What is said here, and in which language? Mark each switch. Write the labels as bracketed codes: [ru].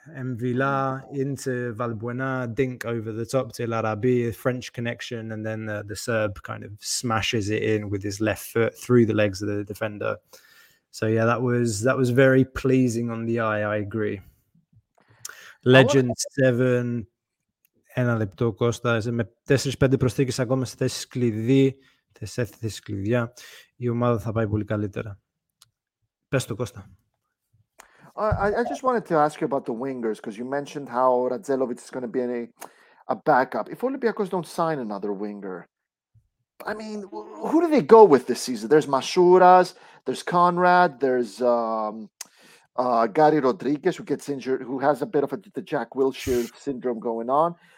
[en] Mvila into Valbuena, dink over the top to Larabi, a French connection, and then the Serb kind of smashes it in with his left foot through the legs of the defender. So yeah, that was very pleasing on the eye, I agree. [el] Legend 7, ένα λεπτό Κώστα, με 4-5 προσθήκες ακόμα σε θέσεις κλειδί, σε θέσεις κλειδιά, η ομάδα θα πάει πολύ καλύτερα. Πες το Κώστα. [en] I just wanted to ask you about the wingers, because you mentioned how Radzelovic is going to be a backup. If Olympiacos don't sign another winger, I mean, who do they go with this season? There's Mashuras, there's Conrad, there's Gary Rodriguez, who gets injured, who has a bit of the Jack Wilshere syndrome going on.